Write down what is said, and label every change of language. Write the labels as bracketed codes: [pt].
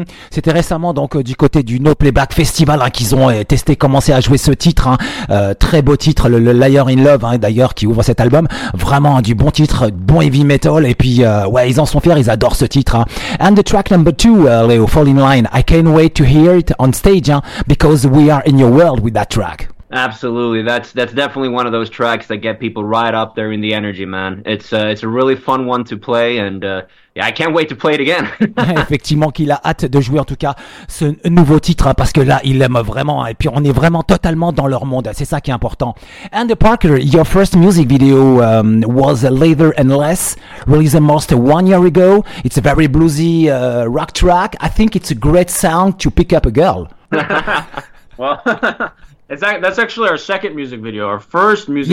[fr] C'était récemment donc du côté du No Playback Festival hein, qu'ils ont testé, commencé à jouer ce titre hein, très beau titre, le Liar in Love hein, d'ailleurs qui ouvre cet album, vraiment hein, du bon titre, bon heavy metal, et puis ouais, ils en sont fiers, ils adorent ce titre hein. [en] And the track number 2, Leo, Fall in Line, I can't wait to hear it on stage hein, because we are in your world with that track. Absolutely, that's definitely one of those tracks that get people right up there in the energy, man. It's a really fun one to play, and yeah, I can't wait to play it again. [fr] Effectivement, qu'il a hâte de jouer en tout cas ce nouveau titre hein, parce que là, il aime vraiment, et puis on est vraiment totalement dans leur monde. C'est ça qui est important. [en] And Parker, your first music video was Leather and Less, released almost 1 year ago. It's a very bluesy rock track. I think it's a great sound to pick up a girl. Well. That's actually our second music video. Our first music